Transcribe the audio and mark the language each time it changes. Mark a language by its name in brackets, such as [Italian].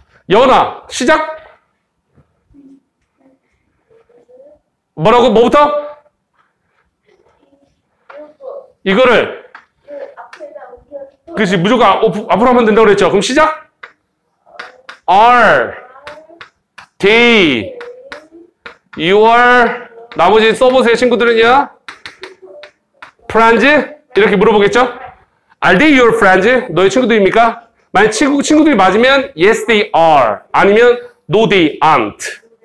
[Korean] 여은아, 시작! 뭐라고? 뭐부터? 이거를 그렇지, 무조건 앞으로 하면 된다고 그랬죠. 그럼 시작! [English] Are they You are, [Korean] 나머지 써보세요, 친구들은요. [English] Friends? [Korean] 이렇게 물어보겠죠? [English] Are they your friends? [Korean] 너의 친구들입니까? 만약 친구들이 맞으면, [English] yes, they are. 아니면, no, they aren't.